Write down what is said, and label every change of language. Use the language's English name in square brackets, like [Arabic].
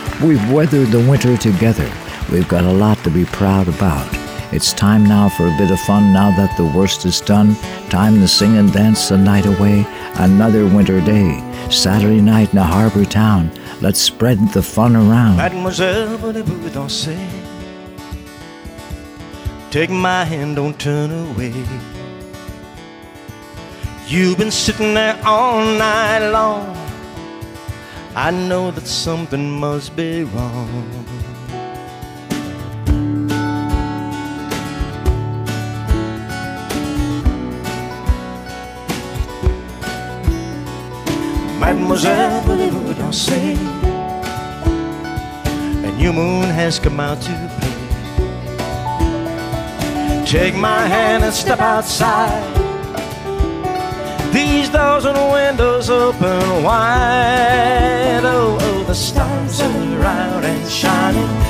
[English] We've weathered the winter together. We've got a lot to be proud about. It's time now for a bit of fun, now that the worst is done. Time to sing and dance the night away. Another winter day, Saturday night in a harbor town. Let's spread the fun around. [French] Mademoiselle, voulez-vous danser? [English] Take my hand, don't turn away. You've been sitting there all night long. I know that something must be wrong. [French] Mademoiselle, voulez-vous danser? [English] A new moon has come out to play. Take my hand and step outside. These thousand windows open wide. Oh, oh, the stars are out and shining.